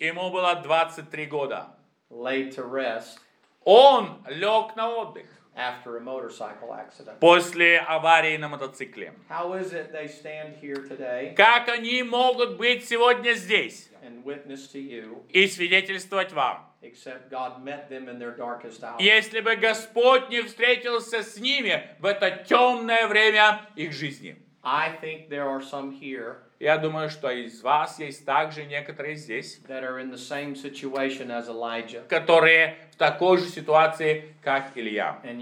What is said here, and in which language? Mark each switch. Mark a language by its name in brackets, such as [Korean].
[Russian] Ему было 23 года. [English] Laid to rest. [Russian] Он лег на отдых. [English] After a motorcycle accident. [Russian] После аварии на мотоцикле. [English] How is it they stand here today? [Russian] Как они могут быть сегодня здесь? [English] And witness to you. [Russian] И свидетельствовать вам. [English] Except God met them in their darkest hour. [Russian] Если бы Господь не встретился с ними в это темное время их жизни. [English] I think there are some here. [Russian] Я думаю, что из вас есть также некоторые здесь, которые в такой же ситуации, как Илья.